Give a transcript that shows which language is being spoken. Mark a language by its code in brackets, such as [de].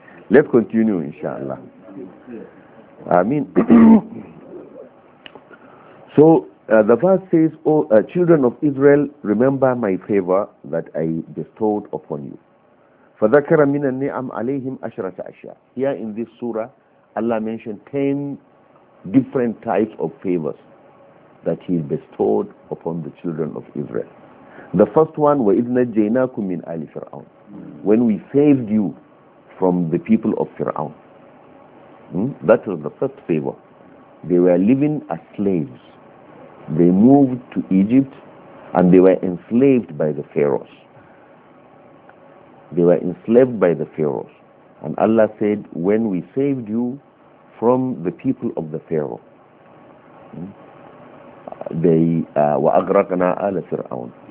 [en] Let's continue, inshallah. I mean, so the verse says, O children of Israel, remember my favor that I bestowed upon you. [ar] فَذَكَرَ مِنَ النِّعَمْ عَلَيْهِمْ أَشْرَةَ أَشْيَاءَ. [en] Here in this surah, Allah mentioned 10 different types of favors that He bestowed upon the children of Israel. The first one, [ar] وَإِذْ نَجَّيْنَاكُمْ مِنْ آلِ فِرْعَوْنَ. [en] When we saved you from the people of Fir'aun. That was the first favor. They were living as slaves. They moved to Egypt and they were enslaved by the pharaohs. They were enslaved by the pharaohs. And Allah said, when we saved you from the people of the pharaoh, they [ar] وَأَغْرَقْنَا آلَ فِرْعَوْنَ.